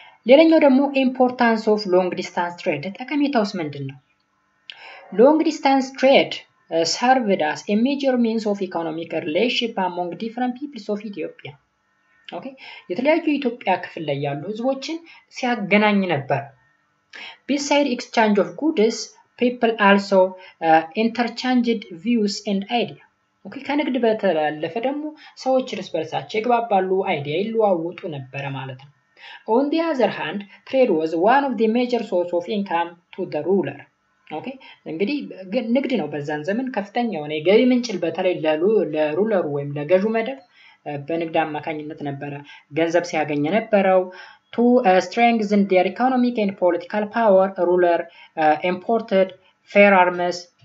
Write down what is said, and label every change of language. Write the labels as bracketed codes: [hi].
[am] ሌላኛው ደግሞ [en] importance of long distance trade [am] ጠቀሜታውስ ምንድነው [en] long distance trade served as a major means of economic relationship among different peoples of Ethiopia. Okay? [am] የተለያዩ ኢትዮጵያ ክፍል ላይ ያሉ ህዝቦችን ሲያገናኝ ነበር. [en] Besides exchange of goods, people also interchanged views and ideas. Okay? [am] ከንግድ በተለፈ ደግሞ ሰዎች እርስ በርሳቸው ይግባባሉ, አይዲያ ይለዋወጡ ነበር ማለት ነው. [en] On the other hand, trade was one of the major sources of income to the ruler. [am] Okay, እንግዲህ ንግድ ነው በዛን ዘመን ከፍተኛ የሆነ የገቢ ምንጭ በተለይ ለሩለሩ ወይም ለገዥው መደብ በንግድ አማካኝነት ነበር ገንዘብ ሲያገኘ ነበርው [en] to strengthen their economic and political power ruler imported firearms